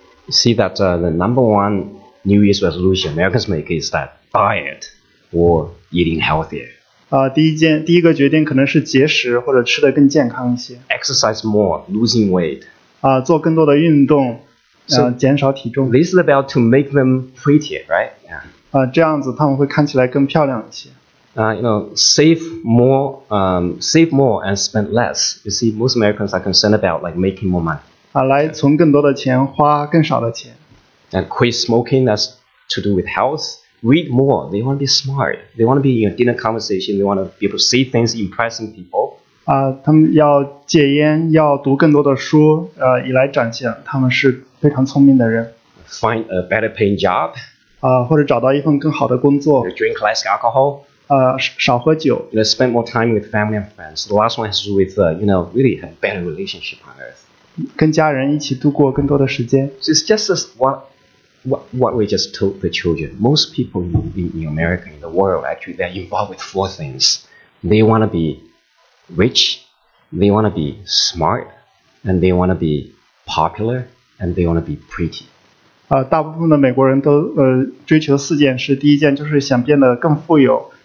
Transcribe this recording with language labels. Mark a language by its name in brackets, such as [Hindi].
[English] See that the number one New Year's resolution Americans make is that diet or eating healthier. [Chinese] 第一个决定可能是节食或者吃得更健康一些。 [English] Exercise more, losing weight. [Chinese] 做更多的运动，减少体重。 [English] This is about to make them prettier, right? Yeah. [Chinese] 这样子他们会看起来更漂亮一些。 [English] You know, save more and spend less. You see, most Americans are concerned about like making more money. [Chinese] 来存更多的钱，花更少的钱。 [English] And quit smoking, that's to do with health. Read more. They want to be smart. They want to be in a dinner conversation. They want to be able to say things impressing people. [Chinese] 他们要戒烟，要读更多的书，以来展现他们是非常聪明的人。 [English] Find a better paying job. [Chinese] 或者找到一份更好的工作。 [English] Drink less alcohol. [Chinese] 少喝酒。 [English] You know, spend more time with family and friends. The last one has to do with, you know, really have better relationship on earth. [Chinese] 跟家人一起度过更多的时间。 [English] So it's just what we just told the children. Most people in America, in the world, actually, they're involved with four things. They want to be rich, they want to be smart, and they want to be popular, and they want to be pretty. [Chinese] 大部分的美国人都追求四件事。第一件就是想变得更富有。